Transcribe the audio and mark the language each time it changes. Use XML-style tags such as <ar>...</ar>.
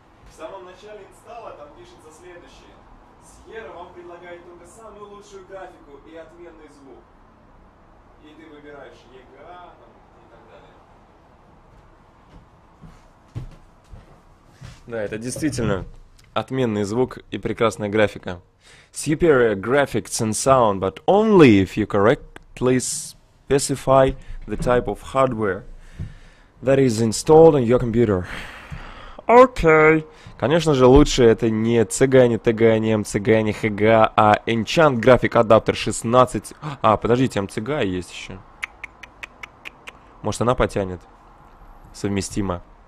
<ru>В самом начале инсталла там пишется следующее. Sierra вам предлагает только самую лучшую графику и отменный звук. И ты выбираешь EGA там, и так далее. Да, это действительно отменный звук и прекрасная графика.</ru> <en>Superior graphics and sound, but only if you correctly specify the type of hardware that is installed on your computer.</en> <ru>Окей. Конечно же, лучше это не цыгане, ТГ, не МЦГ, не ХГ, а Enchant Graphic Adapter 16. А, подождите, МЦГ есть еще. Может, она потянет? Совместимо.</ru>